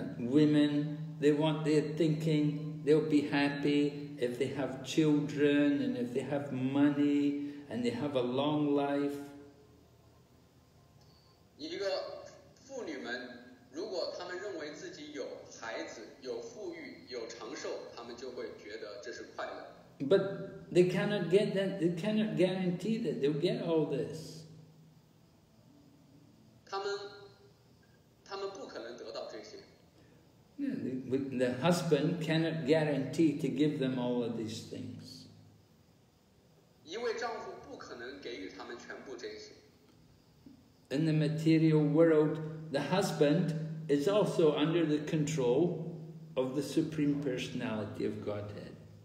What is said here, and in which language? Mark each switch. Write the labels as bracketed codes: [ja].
[en] women, they want their thinking, they'll be happy if they have children and if they have money and they have a long life. [zh] 一个妇女们，如果她们认为自己有孩子、有富裕、有长寿，她们就会觉得这是快乐。 [en] But they cannot get that. They cannot guarantee that they'll get all this. [zh] 她们不可能得到这些。 [en] The husband cannot guarantee to give them all of these things. [zh] 一位丈夫不可能给予她们全部这些。 [en] In the material world, the husband is also under the control of the Supreme Personality of Godhead.